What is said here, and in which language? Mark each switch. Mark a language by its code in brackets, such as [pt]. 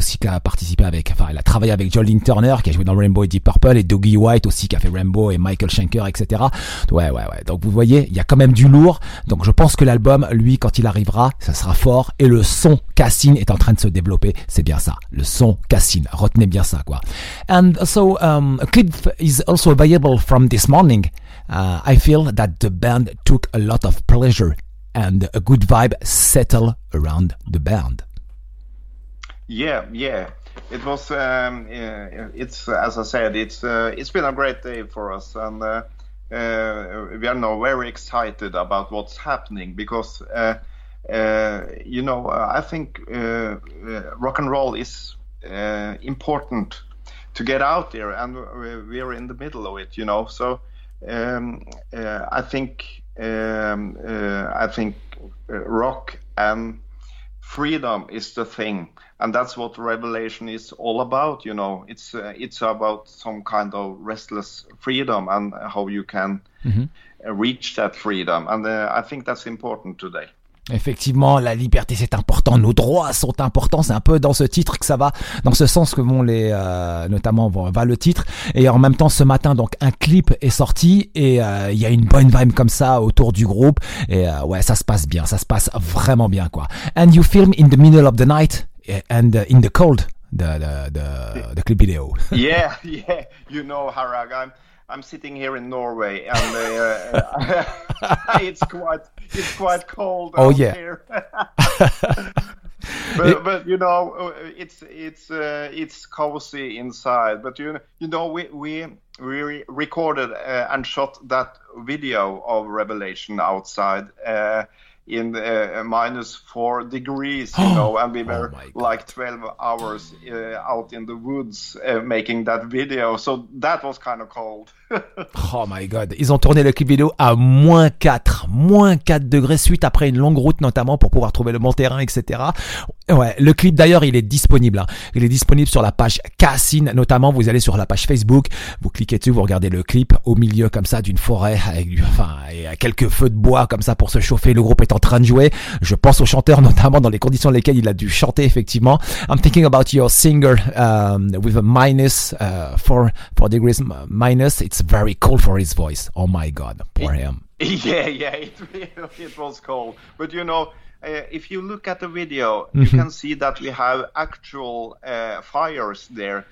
[fr] Il a aussi il a travaillé avec Jolene Turner, qui a joué dans Rainbow et Deep Purple, et Dougie White aussi, qui a fait Rainbow, et Michael Schenker, etc. Ouais, donc vous voyez, il y a quand même du lourd. Donc je pense que l'album, lui, quand il arrivera, ça sera fort, et le son Kerstin est en train de se développer. C'est bien ça, le son Kerstin, retenez bien ça, quoi. [en] And so a clip is also available from this morning. I feel that the band took a lot of pleasure and a good vibe settle around the band. Yeah. It was, it's, as I said, it's been a great day for us, and we are now very excited about what's happening, because, you know, I think rock and roll is important to get out there, and we're in the middle of it, you know. So I think rock and freedom is the thing, and that's what Revelation is all about. You know, it's about some kind of restless freedom and how you can reach that freedom. And I think that's important today. [fr] Effectivement, la liberté, c'est important, nos droits sont importants, c'est un peu dans ce titre que ça va, dans ce sens que vont les notamment va le titre. Et en même temps, ce matin, donc, un clip est sorti, et il y a une bonne vibe comme ça autour du groupe, et ouais, ça se passe bien, ça se passe vraiment bien, quoi. [en] And you film in the middle of the night and in the cold, the clip video. Yeah, you know, Harag, I'm sitting here in Norway, and it's quite cold. Oh, out, yeah. Here. but you know, it's cozy inside. But you know, we recorded and shot that video of Revelation outside in -4 degrees, you know, and we were like 12 hours out in the woods making that video, so that was kind of cold. Oh my god, [fr] ils ont tourné le clip vidéo à -4 degrés suite après une longue route notamment pour pouvoir trouver le bon terrain, etc. Ouais, le clip d'ailleurs il est disponible, hein. Il est disponible sur la page Kerstin notamment, vous allez sur la page Facebook, vous cliquez dessus, vous regardez le clip au milieu comme ça d'une forêt avec quelques feux de bois comme ça pour se chauffer. Le groupe est en train de jouer. Je pense au chanteur, notamment dans les conditions dans lesquelles il a dû chanter, effectivement. [en] I'm thinking about your singer with a minus, four degrees minus. It's very cold for his voice. Oh my God, poor him. Yeah, yeah, it was cold. But you know, if you look at the video, mm-hmm. you can see that we have actual fires there.